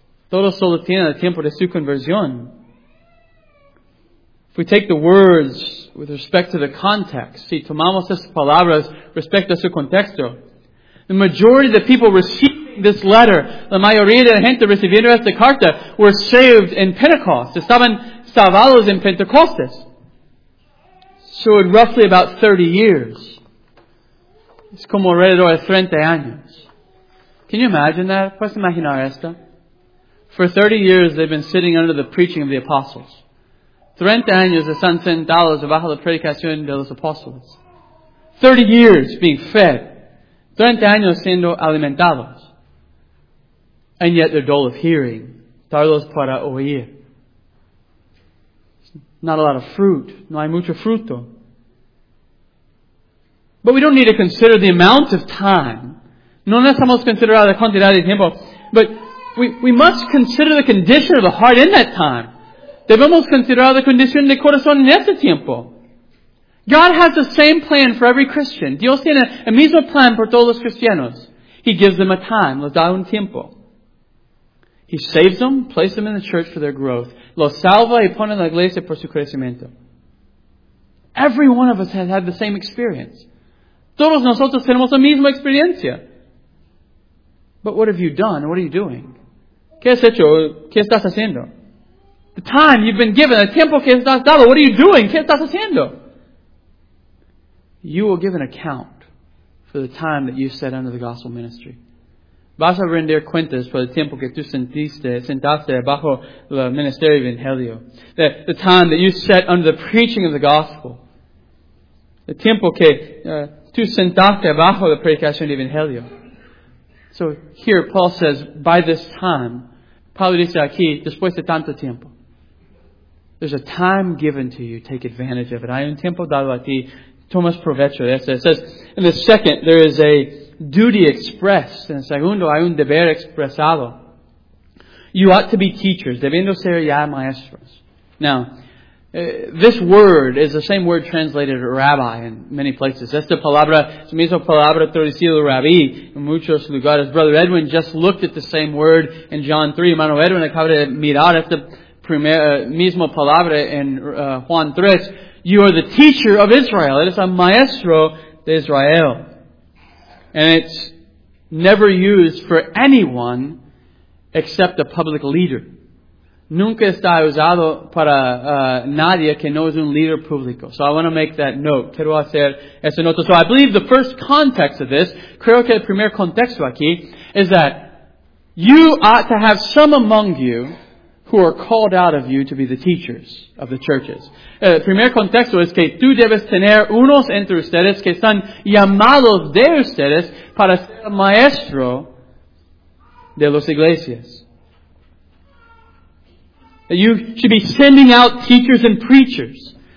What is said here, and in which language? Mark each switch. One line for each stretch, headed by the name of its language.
Spanish: Todos solo tienen el tiempo de su conversión.
English: If we take the words with respect to the context,
Spanish: si tomamos estas palabras respecto a su contexto,
English: the majority of the people receiving this letter,
Spanish: la mayoría de la gente recibiendo esta carta,
English: were saved in Pentecost.
Spanish: Estaban salvados en Pentecostes.
English: So in roughly about 30 years.
Spanish: Es como alrededor de 30 años.
English: Can you imagine that?
Spanish: ¿Puedes imaginar esto?
English: For 30 years they've been sitting under the preaching of the apostles.
Spanish: 30 años están sentados bajo la predicación de los apóstoles.
English: 30 years being fed.
Spanish: 30 años siendo alimentados.
English: And yet they're dull of hearing.
Spanish: Tardos para oír.
English: Not a lot of fruit.
Spanish: No hay mucho fruto.
English: But we don't need to consider the amount of time.
Spanish: No necesitamos considerar la cantidad de tiempo.
English: But we must consider the condition of the heart in that time.
Spanish: Debemos considerar la condición de corazón en este tiempo.
English: God has the same plan for every Christian.
Spanish: Dios tiene el mismo plan por todos los cristianos.
English: He gives them a time.
Spanish: Los da un tiempo.
English: He saves them, places them in the church for their growth.
Spanish: Los salva y pone en la iglesia por su crecimiento.
English: Every one of us has had the same experience.
Spanish: Todos nosotros tenemos la misma experiencia.
English: But what have you done? What are you doing?
Spanish: ¿Qué has hecho? ¿Qué estás haciendo?
English: The time you've been given, the
Spanish: tiempo que estás dado,
English: what are you doing?
Spanish: ¿Qué estás haciendo?
English: You will give an account for the time that you set under the gospel ministry.
Spanish: Vas a rendir cuentas por el tiempo que tú sentaste bajo el ministerio evangelio.
English: The time that you set under the preaching of the gospel.
Spanish: The tiempo que tú sentaste bajo la predicación de evangelio.
English: So here Paul says, by this time,
Spanish: Pablo dice aquí, después de tanto tiempo.
English: There's a time given to you. Take advantage of it.
Spanish: Hay un tiempo dado a ti. Tomas provecho de eso.
English: It says, in the second, there is a duty expressed.
Spanish: En el segundo, hay un deber expresado.
English: You ought to be teachers.
Spanish: Debiendo ser ya maestros.
English: Now, this word is the same word translated rabbi in many places.
Spanish: Esta palabra, es la misma palabra traducida rabbi en muchos lugares.
English: Brother Edwin just looked at the same word in John 3.
Spanish: Hermano Edwin acaba de mirar esta mismo palabra en Juan 3.
English: You are the teacher of Israel. It is a
Spanish: maestro de Israel.
English: And it's never used for anyone except a public leader.
Spanish: nunca está usado para nadie que no es un líder público.
English: So I want to make that note.
Spanish: Quiero hacer esa nota.
English: So I believe the first context of this,
Spanish: creo que el primer contexto aquí,
English: is that you ought to have some among you who are called out of you to be the teachers of the churches.
Spanish: El primer contexto es que tú debes tener unos entre ustedes que están llamados de ustedes para ser maestro de las iglesias.
English: You should be sending out teachers and preachers.